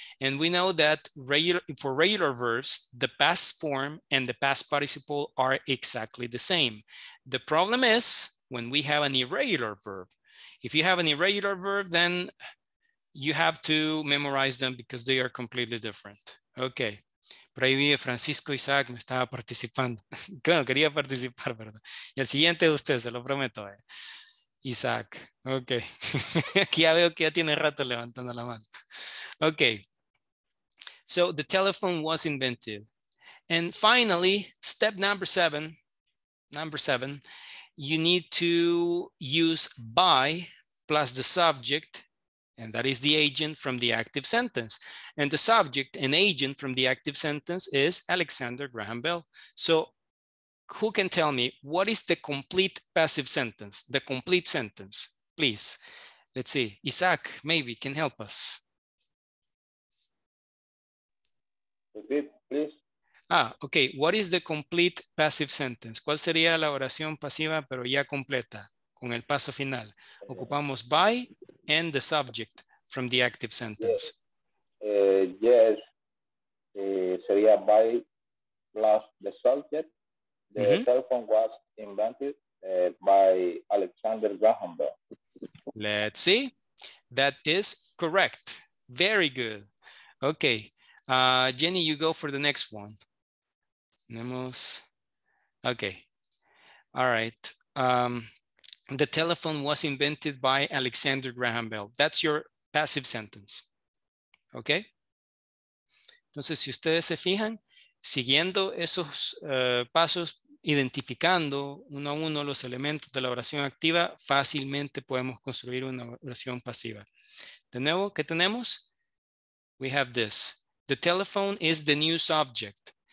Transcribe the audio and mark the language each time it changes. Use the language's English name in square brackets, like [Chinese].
[English] And we know that for regular verbs, the past form and the past participle are exactly the same. The problem is when we have an irregular verb. If you have an irregular verb, then you have to memorize them because they are completely different. Okay. [Spanish] Por ahí vive Francisco Isaac, me estaba participando. Bueno, quería participar, ¿verdad? Y el siguiente de ustedes, se lo prometo, Isaac. Okay. Aquí ya veo que ya tiene rato levantando la mano. [English] Okay. So the telephone was invented. And finally, step number 7. Number 7. You need to use by plus the subject, and that is the agent from the active sentence. And the subject and agent from the active sentence is Alexander Graham Bell. So who can tell me what is the complete passive sentence, the complete sentence, please? Let's see. Isaac, maybe, can help us. Repeat, please. Ah, okay. What is the complete passive sentence? [Spanish] ¿Cuál sería la oración pasiva, pero ya completa, con el paso final? Ocupamos [English] by and the subject from the active sentence. Yes. Yes. [Spanish] Sería [English] by plus the subject. The telephone was invented by Alexander Graham Bell. Let's see. That is correct. Very good. Okay. Jenny, you go for the next one. Okay. All right. The telephone was invented by Alexander Graham Bell. That's your passive sentence. Okay. [Spanish] Entonces, si ustedes se fijan, siguiendo esos pasos, identificando uno a uno los elementos de la oración activa, fácilmente podemos construir una oración pasiva. De nuevo, ¿qué tenemos? [English] We have this. The telephone is the new subject.